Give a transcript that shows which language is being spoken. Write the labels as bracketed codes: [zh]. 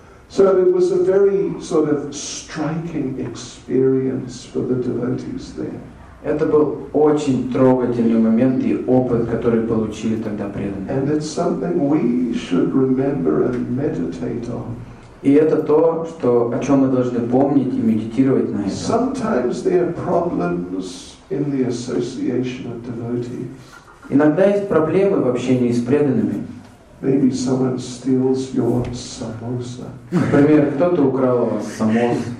[en] So it was a very sort of striking experience for the devotees there. [ru] Это был очень трогательный момент и опыт, который получили тогда преданные. [en] And it's something we should remember and meditate on. [ru] И это то, что, о чем мы должны помнить и медитировать на это. [en] Sometimes there are problems in the association of devotees. [ru] Иногда есть проблемы в общении с преданными. [en] Maybe someone steals your samosa. [ru] Например, кто-то украл у вас самос.